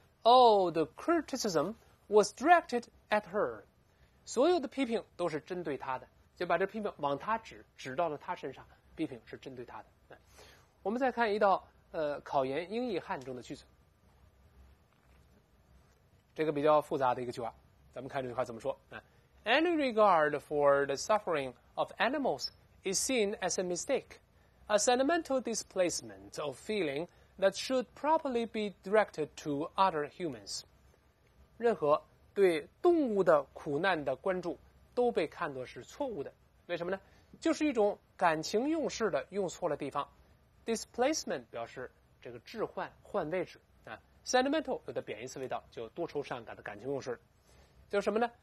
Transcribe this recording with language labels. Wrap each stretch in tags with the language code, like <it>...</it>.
<en>Oh, the criticism was directed at her，</en> <zh>所有的批评都是针对她的，就把这批评往她指，指到了她身上，批评是针对她的。我们再看一道考研英译汉中的句子，这个比较复杂的一个句话，咱们看这句话怎么说。</zh> <en>Any regard for the suffering of animals is seen as a mistake, a sentimental displacement of feeling that should properly be directed to other humans.</en> <zh>任何对动物的苦难的关注都被看作是错误的，为什么呢？就是一种感情用事的用错了地方。 Displacement 表示这个置换，换位置啊。 Sentimental 有的贬义词味道，就多愁善感的感情用事，就是什么呢？</zh>